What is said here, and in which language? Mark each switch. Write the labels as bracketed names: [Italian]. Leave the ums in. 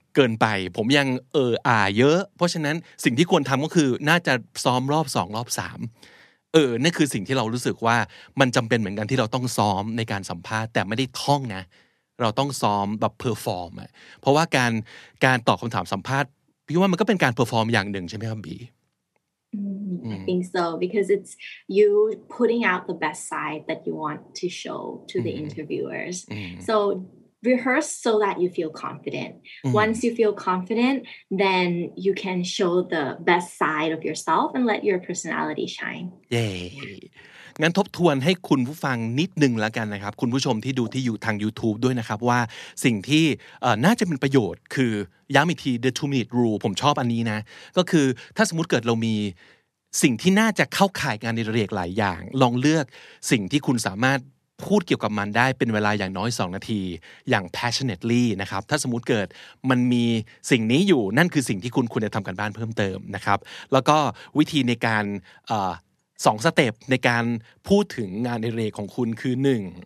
[Thai] เกินไป ผมยังเอออ่าเยอะ เพราะฉะนั้นสิ่งที่ควรทำก็คือน่าจะซ้อมรอบสองรอบสามเออนั่นคือสิ่งที่เรารู้สึกว่ามันจำเป็นเหมือนกันที่เราต้องซ้อมในการสัมภาษณ์แต่ไม่ได้ท่องนะ เราต้องซ้อมแบบเพอร์ฟอร์มอะเพราะว่าการการตอบคำถามสัมภาษณ์พี่ว่ามันก็เป็นการเพอร์ฟอร์มอย่างหนึ่งใช่ไหมครับบี [English] Mm, I Mm. think so because it's you putting out the best side that you want to show to the Mhm. interviewers. อืม So rehearse so that you feel confident. Once you feel confident, then you can show the best side of yourself and let your personality shine. [Thai] เย้งั้นทบทวนให้คุณผู้ฟังนิดหนึ่งแล้วกันนะครับ คุณผู้ชมที่ดูที่อยู่ทาง YouTube ด้วยนะครับ ว่าสิ่งที่เอ่อน่าจะเป็นประโยชน์ คือย้ำอีกที [English] the two minute rule [Thai] ผมชอบอันนี้นะ ก็คือถ้าสมมติเกิดเรามี สิ่งที่น่าจะเข้าข่ายงานในเรกหลายอย่าง ลองเลือกสิ่งที่คุณสามารถพูดเกี่ยวกับมันได้เป็นเวลาอย่างน้อย 2 นาที อย่าง passionately นะครับ ถ้าสมมติเกิดมันมีสิ่งนี้อยู่นั่นคือสิ่งที่คุณควรจะทำกันบ้านเพิ่มเติมนะครับ แล้วก็วิธีในการเอ่อ สองสเต็ปในการพูดถึงงานในเรกของคุณคือหนึ่ง